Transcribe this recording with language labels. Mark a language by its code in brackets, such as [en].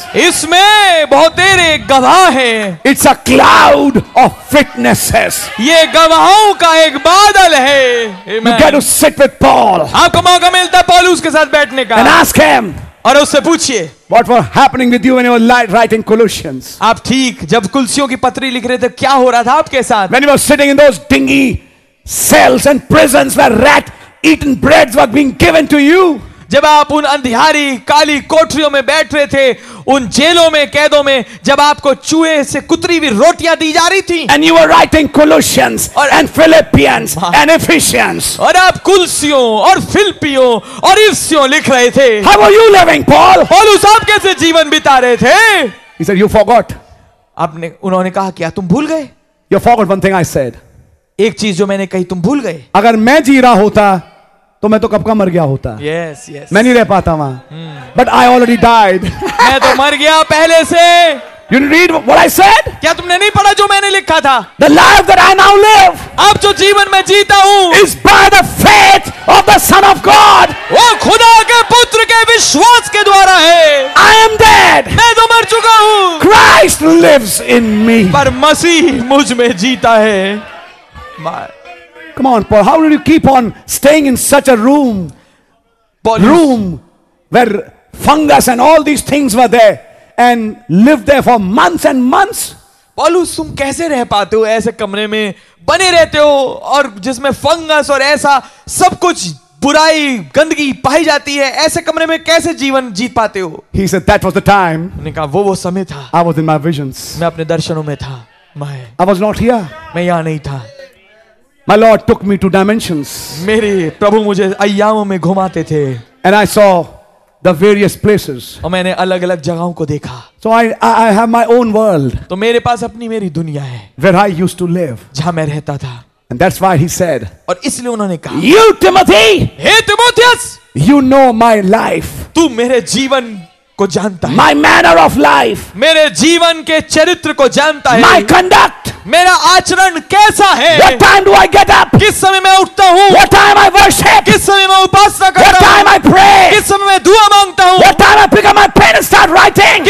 [hi] इसमें बहुत तेरे गवाह हैं. [en] It's a cloud of witnesses. [hi] ये गवाहों का एक बादल है. [en] You get to sit with Paul. [hi] आपको मौका मिलता है पौलुस के साथ बैठने का. [en] And ask him. [hi] और उससे पूछिए. [en] What was happening with you when you were writing Colossians? [hi] आप ठीक जब कुलसियों की पत्री लिख रहे थे क्या हो रहा था आपके साथ? [en] When you were sitting in those dingy cells and prisons where rat-eaten breads were being given to you. [hi] जब आप उन अंधियारी काली कोठरियों में बैठ रहे थे उन जेलों में कैदों में जब आपको चूहे से कुतरी हुई रोटियां दी जा रही थी. [en] And you were writing Colossians and Philippians and Ephesians. [hi] और आप कुलसियों और फिलिपियों और इफिसियों लिख रहे थे. [en] How are you living, Paul? [hi] पौलुस आप कैसे जीवन बिता रहे थे? [en] He said, you forgot. [hi] आपने उन्होंने कहा क्या तुम भूल गए? [en] You forgot one thing I said. [hi] एक चीज जो मैंने कही तुम भूल गए. अगर मैं जी रहा होता तो मैं तो कब का मर गया होता. [en] Yes, yes. [hi] मैं नहीं रह पाता वहां. [en] But I already died. [hi] मैं तो मर गया पहले से. [en] You read what I said? [hi] क्या तुमने नहीं पढ़ा जो मैंने लिखा था? [en] The life that I now live. [hi] अब जो जीवन मैं जीता हूँ. Is by the faith of the Son of God. वो खुदा के पुत्र के विश्वास के द्वारा है. [en] I am dead. [hi] मैं तो मर चुका हूँ. [en] Christ lives in me. [hi] पर मसीह मुझ में जीता है. [en] Come on, Paul. How did you keep on staying in such a room? Paulus. Room where fungus and all these things were there and lived there for months and months. [hi] Paulus, तुम कैसे रह पाते हो ऐसे कमरे में बने रहते हो और जिसमें फंगस और ऐसा सब कुछ बुराई गंदगी पाई जाती है ऐसे कमरे में कैसे जीवन जीत पाते हो? [en] He said that was the time. [hi] उन्होंने कहा वो समय था. [en] I was in my visions. [hi] मैं अपने दर्शनों में था. [en] My. I was not here. [hi] मैं यहाँ नहीं था. [en] My Lord took me to dimensions. [hi] मेरे प्रभु मुझे आयामों में घुमाते थे. [en] And I saw the various places. [hi] और मैंने अलग-अलग जगहों को देखा. [en] So I have my own world. [hi] तो मेरे पास अपनी मेरी दुनिया है. [en] Where I used to live. [hi] जहाँ मैं रहता था. [en] And that's why he said. [hi] और इसलिए उन्होंने कहा. [en] You Timothy. Hey Timotheus. You know my life. [hi] तू मेरे जीवन को जानता है. [en] My manner of life. [hi] मेरे जीवन के चरित्र को जानता है. [en] My conduct. [hi] मेरा आचरण कैसा है? [en] What time do I get up? [hi] किस समय मैं उठता हूँ? [en] What time I worship? [hi] किस समय मैं उपासना करता हूँ? [en] What time I pray? [hi] किस समय मैं दुआ मांगता हूँ? [en] What time I pick up my pen and start writing?